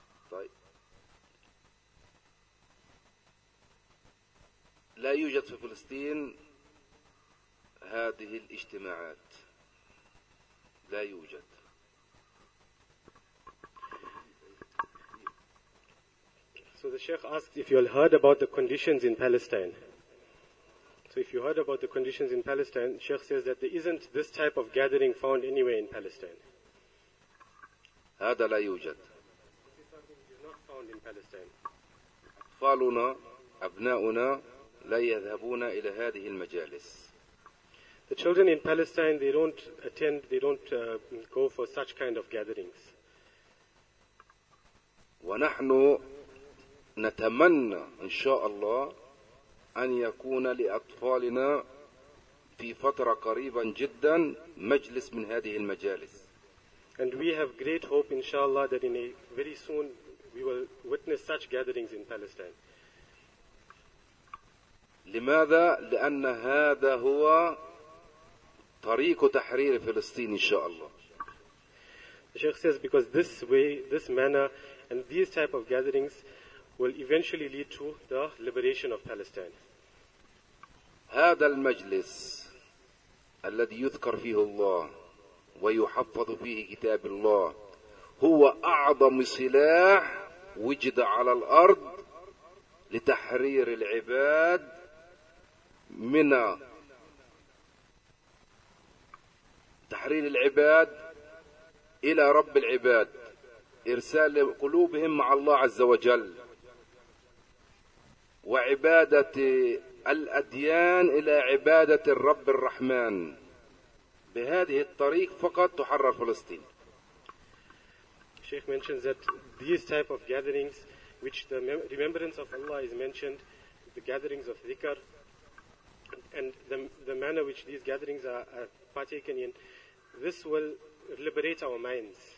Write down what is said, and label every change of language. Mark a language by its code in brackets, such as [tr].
[ar] طيب، لا يوجد في فلسطين هذه الاجتماعات، لا يوجد. [en] So the Sheikh asked if you all heard about the conditions in Palestine. So if you heard about the conditions in Palestine, Sheikh says that there isn't this type of gathering found anywhere in Palestine. [ar] هذا لا يوجد. [en] This is something that is not found in Palestine. [ar] أطفالنا، أبناؤنا لا يذهبون إلى هذه المجالس. [en] The children in Palestine, they don't attend, they don't go for such kind of gatherings. [ar] ونحن نتمنى إن شاء الله أن يكون لأطفالنا في فترة قريبة جدا مجلس من هذه المجالس. [en] And we have great hope, inshallah, that in a very soon we will witness such gatherings in Palestine. [ar] لماذا؟ لأن هذا هو طريق تحرير فلسطين إن شاء الله. [en] The Sheikh says because this way, this manner, and these type of gatherings will eventually lead to the liberation of Palestine. [ar] هذا المجلس الذي يذكر فيه الله ويحفظ فيه كتاب الله هو أعظم سلاح وجد على الأرض لتحرير العباد من تحرير العباد إلى رب العباد، إرسال قلوبهم مع الله عز وجل، وعبادة الأديان إلى عبادة الرب الرحمن. بهذه الطريق فقط تحرر فلسطين. [en] Sheikh mentions that these type of gatherings which the remembrance of Allah is mentioned, the gatherings of dhikr, and the manner which these gatherings are partaken in, this will liberate our minds.